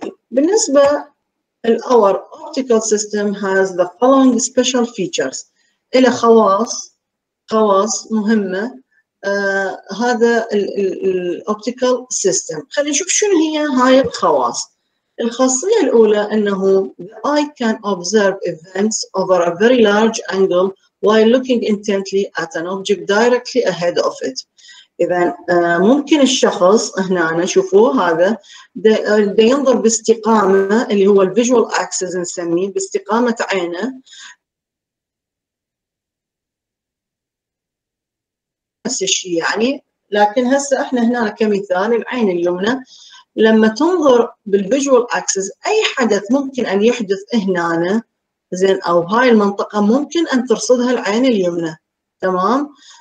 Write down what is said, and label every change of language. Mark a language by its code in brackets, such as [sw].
[en] بالنسبه الاور optical system has the following special features, [ar] الى خواص مهمه هذا [en] الاوبتيكال سيستم. [ar] خلينا نشوف شنو هي هاي الخواص. الخاصيه الاولى انه [en] the eye can observe events over a very large angle while looking intently at an object directly ahead of it. [ar] اذا ممكن الشخص هنا شوفوا هذا ينظر باستقامه اللي هو الفيجوال اكسس نسميه، باستقامه عينه نفس الشيء يعني، لكن هسه احنا هنا كمثال العين اليمنى لما تنظر بالفيجوال اكسس اي حدث ممكن ان يحدث هنا زين او هاي المنطقه ممكن ان ترصدها العين اليمنى. تمام.